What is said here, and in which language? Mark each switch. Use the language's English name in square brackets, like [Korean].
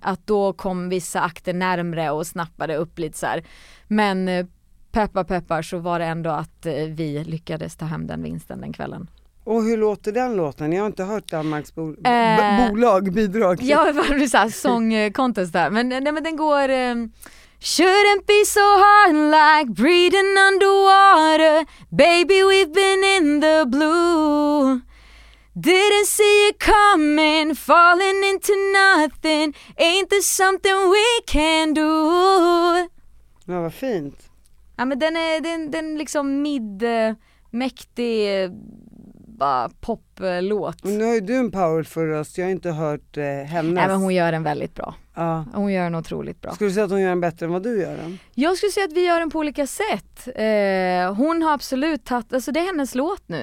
[Swedish] Att då kom vissa akter närmre och snappade upp lite så här. Men peppar så var det ändå att vi lyckades ta hem den vinsten den kvällen. Och hur låter den låten? Jag har inte hört Danmarks bolag bidrag. Ja, det var så här song contest där. Men, nej, men den går... [English] Shouldn't be so hard like breathing underwater. Baby, we've been in the blue. Didn't see you coming, falling into nothing. Ain't there something we can do? [Swedish] Ja, vad fint. Ja, men den är den liksom mid-mäktig... bara poplåt. Nu har ju du en powerful röst, jag har inte hört hennes. Nej, men hon gör den väldigt bra. Ja. Hon gör den otroligt bra. Skulle du säga att hon gör den bättre än vad du gör den? Jag skulle säga att vi gör den på olika sätt. Hon har absolut tagit, alltså det är hennes låt nu.